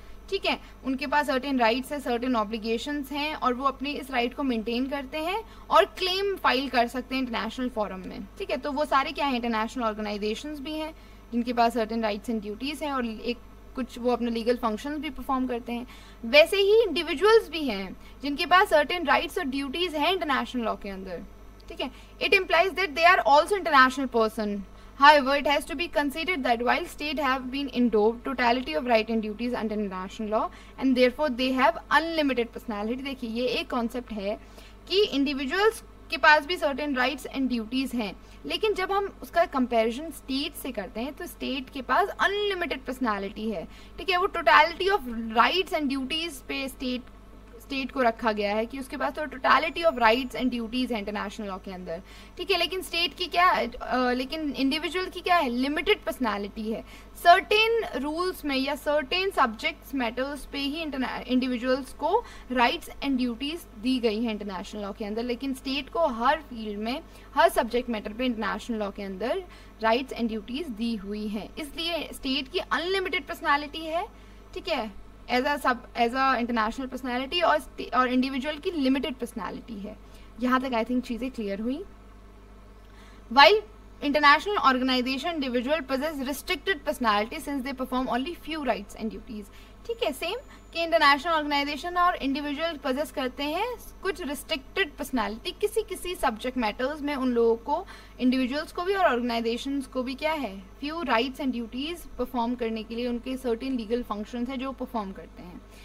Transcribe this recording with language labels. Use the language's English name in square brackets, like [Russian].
[Hindi] ठीक है, उनके पास सर्टेन राइट्स है, सर्टेन ऑब्लिगेशंस हैं, और वो अपने इस राइट को मेंटेन करते हैं और क्लेम फाइल कर सकते हैं इंटरनेशनल फोरम में, ठीक है, तो वो सारे क्या हैं, इंटरनेशनल ऑर्गेनाइजेशंस भी हैं जिनके पास सर्टेन राइट्स एंड ड्यूटीज हैं, और एक कुछ वो अपने लीगल फंक्शंस भी परफॉर्म करते हैं, वैसे ही इंडिविजुअल्स भी हैं जिनके पास सर्टेन राइट्स और ड्यूटीज हैं इंटरनेशनल लॉ के अंदर, ठीक है. [English] It implies that they are also international person. However, it has to be considered that while state have been endowed totality of right and duties under international law and therefore they have unlimited personality. [Hindi] देखिए ये एक concept है कि individuals के पास भी [English] certain rights and duties [Hindi] हैं, लेकिन जब हम उसका comparison state से करते हैं तो state के पास [English] unlimited personality [Hindi] है, ठीक है, वो [English] totality of rights and duties [Hindi] पे state को रखा गया है कि उसके पास तो [English] totality of rights and duties [Hindi] है इंटरनेशनल लॉ के अंदर, ठीक है, लेकिन स्टेट की क्या लेकिन इंडिविजुअल की क्या है, लिमिटेड पर्सनालिटी है, सर्टेन रूल्स में या सर्टेन सब्जेक्ट्स मैटर्स पे ही इंडिविजुअल्स को राइट्स एंड ड्यूटीज दी गई है इंटरनेशनल लॉ के अंदर, लेकिन स्टेट को हर फील्ड में हर सब्जेक्ट मैटर पे इंटरनेशनल लॉ के अंदर राइट्स एंड ड्यूटीज दी हुई है, इसलिए स्टेट की अनलिमिटेड पर्सनालिटी है, ठीक है, एज अ इंटरनेशनल पर्सनैलिटी और इंडिविजुअल की लिमिटेड पर्सनैलिटी है. यहाँ तक [English] I think [Hindi] चीज़ें क्लियर हुई. While [English] international organization individual possess restricted personality since they perform only few rights and duties. [Hindi] ठीक है, सेम कि इंटरनेशनल ऑर्गेनाइजेशन और इंडिविजुअल पजेस करते हैं कुछ रिस्ट्रिक्टेड पर्सनालिटी किसी किसी सब्जेक्ट मैटर्स में, उन लोगों को इंडिविजुअल्स को भी और ऑर्गेनाइजेशंस को भी क्या है, few rights and duties perform करने के लिए उनके सर्टेन लीगल फंक्शंस है जो परफॉर्म करते हैं.